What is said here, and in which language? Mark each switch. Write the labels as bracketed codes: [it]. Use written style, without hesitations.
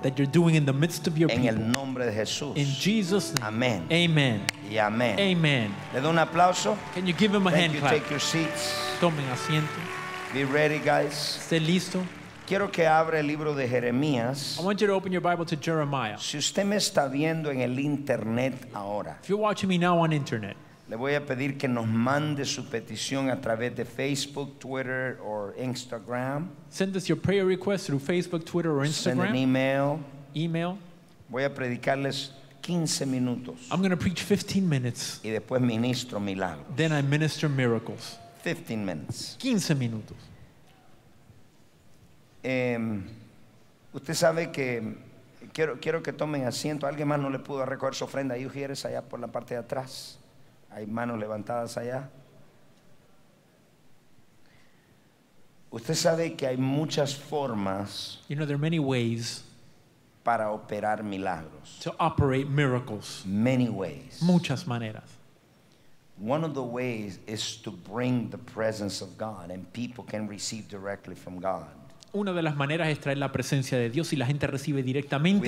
[en] That you're doing in the midst of your [es] en [en] people. [es] En el nombre de Jesús. [en] In Jesus name. [es] Amén. [en] Amen. [es] Y amén. [en] Amen. [es] Le doy un aplauso. [en] Can you give him a hand clap? Thank you. Take your seats. [es] Tomen asiento. [en] Be ready, guys. [es] Esté listo. Quiero que abra el libro de Jeremías. [en] I want you to open your Bible to Jeremiah. [es] Si usted me está viendo en el internet ahora, [en] if you're watching me now on internet, [es] le voy a pedir que nos mande su petición a través de Facebook, Twitter or Instagram. [en] Send us your prayer request through Facebook, Twitter or Instagram. Send an email. Email. [es] Voy a predicarles 15 minutos. [en] I'm going to preach 15 minutes. [es] Y después ministro milagros. [en] Then I minister miracles. 15 minutes. [es] 15 minutos. Usted sabe que quiero que tomen asiento. Alguien más no le pudo recoger su ofrenda. Ahí ujieres allá por la parte de atrás. Hay manos levantadas allá. Usted sabe que hay muchas formas. [en] You know, there are many ways [es] para operar milagros. [en] To operate miracles. Many ways. [es] Muchas maneras. [en] One of the ways is to bring the presence of God and people can receive directly from God. [es] Una de las maneras es traer la presencia de Dios y la gente recibe directamente